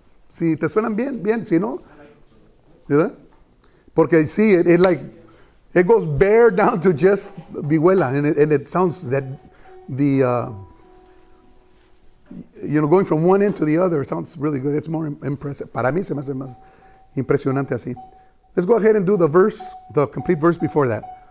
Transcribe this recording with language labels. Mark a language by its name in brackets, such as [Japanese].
[Spanish] Si te suenan bien, bien, si no, ¿verdad? Porque sí, [English] it goes bare down to just vihuela, and it sounds that going from one end to the other sounds really good. It's more impressive. [Spanish] Para mí se me hace más impresionante así. [English] Let's go ahead and do the complete verse before that.